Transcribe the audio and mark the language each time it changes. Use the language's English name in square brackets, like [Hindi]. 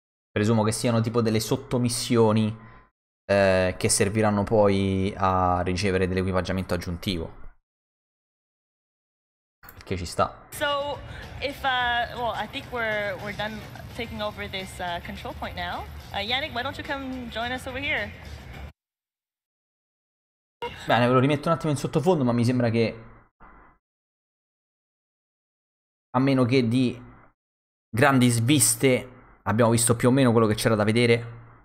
[Italian] Presumo che siano tipo delle sottomissioni che serviranno poi a ricevere dell'equipaggiamento aggiuntivo. Che ci sta. [English] So if I think we're done taking over this control point now. Yannick, why don't you come join us over here? [Italian] Bene, ve lo rimetto un attimo in sottofondo, ma mi sembra che a meno che di grandi sviste abbiamo visto più o meno quello che c'era da vedere.